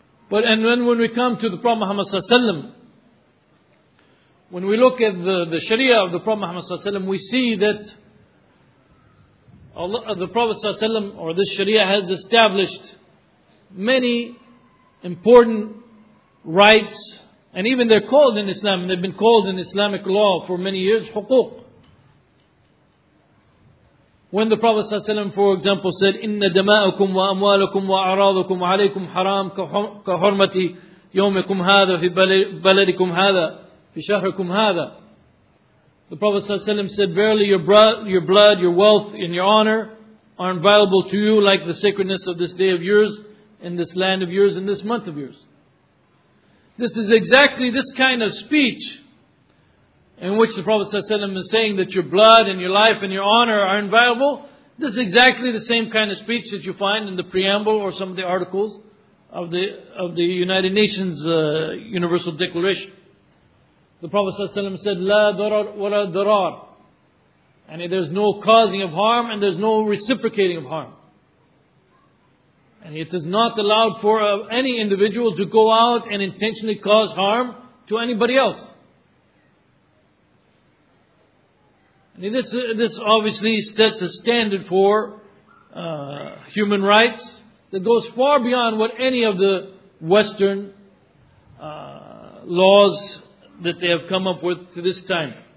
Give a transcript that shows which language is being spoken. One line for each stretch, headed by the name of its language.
English: But and when we come to the Prophet Muhammad Sallallahu Alaihi Wasallam, when we look at the Sharia of the Prophet Muhammad Sallallahu Alaihi Wasallam, we see that the Prophet Sallallahu Alaihi Wasallam, or this Sharia, has established many important rights, and even they're called in Islam, and they've been called in Islamic law for many years, حقوق. When the Prophet Sallallahu Alaihi Wasallam, for example, said,
Arabic: إِنَّ دَمَاءُكُمْ وَأَمْوَالُكُمْ وَأَعْرَاضُكُمْ عَلَيْكُمْ حَرَامٌ كَحُرْمَةِ يَوْمِكُمْ هَذَا فِي بَلَدِكُمْ هَذَا فِي شَهْرِكُمْ هَذَا.
English: The Prophet Sallallahu Alaihi Wasallam said, verily your blood, your wealth, and your honor are inviolable to you like the sacredness of this day of yours, in this land of yours, in this month of yours. This is exactly this kind of speech in which the Prophet ﷺ is saying that your blood and your life and your honor are inviolable. This is exactly the same kind of speech that you find in the preamble or some of the articles of the United Nations Universal Declaration. The Prophet ﷺ said,
Arabic: لا ضرر ولا ضرار.
English: And there's no causing of harm and there's no reciprocating of harm. And it is not allowed for any individual to go out and intentionally cause harm to anybody else. And this obviously sets a standard for human rights that goes far beyond what any of the Western laws that they have come up with to this time.